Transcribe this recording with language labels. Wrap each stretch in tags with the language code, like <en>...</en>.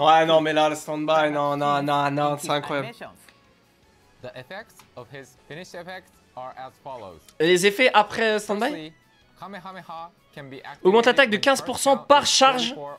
<fr>Ouais, non, mais là le standby, non, c'est incroyable.</fr> <en>The effects of his finished effects are as follows.</en> <fr>Et les effets après standby?</fr> <en>Kamehameha can be activated.</en> <fr>Augmente attaque de 15% par charge.</fr>